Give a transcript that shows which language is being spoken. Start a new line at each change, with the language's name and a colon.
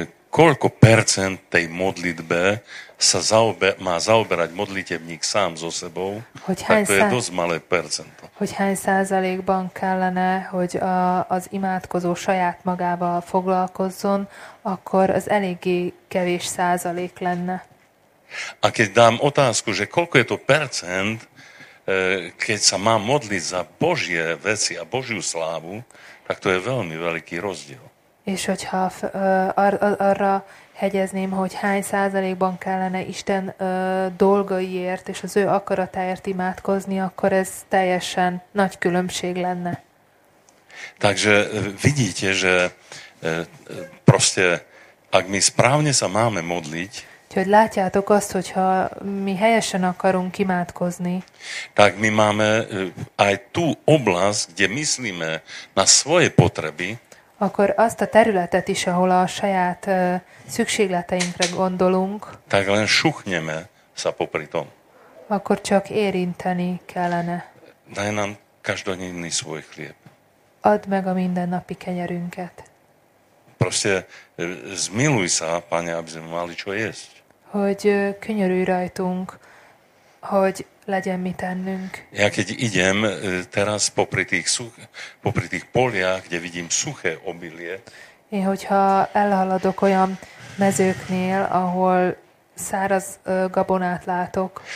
Slovak: koľko percent tej modlitbe má zaoberať modlitevník sám so sebou, tak to je dosť malé percento.
Hungarian: Hogy hány százalékban kellene, hogy az imádkozó saját magával foglalkozzon, akkor az eléggé kevés százalék lenne.
Slovak: A keď dám otázku, že koľko je to percent, keď sa mám modliť za Božie veci a Božiu slávu, tak to je veľmi veľký rozdiel.
Hungarian: És hogyha arra hegyezném, hogy hány százalékban kellene Isten dolgaiért és az ő akaratáért imádkozni, akkor ez teljesen nagy különbség lenne.
Slovak: Takže vidíte, že proste, ak my správne sa máme modliť,
Hungarian: hogy látjátok azt, hogyha mi helyesen akarunk imádkozni,
Slovak: tak my máme aj tú oblasť, kde myslíme na svoje potreby,
Hungarian: akkor azt a területet is, ahol a saját szükségleteinkre gondolunk,
Slovak: tak len suchneme sa popri tom.
Hungarian: Akkor csak érinteni kellene.
Slovak: Daj nám každodenný svoj chlieb.
Hungarian: Add meg a mindennapi kenyerünket.
Slovak: Proste zmiluj sa, Pane, aby sme mali čo jesť.
Hungarian: Hogy könyörülj rajtunk, hogy legyen mit ennünk.
Slovak: Ja keď idem teraz popri tých poliach, kde vidím suché obilie.
Hungarian: Én hogyha elhaladok olyan mezőknél, ahol száraz gabonát látok.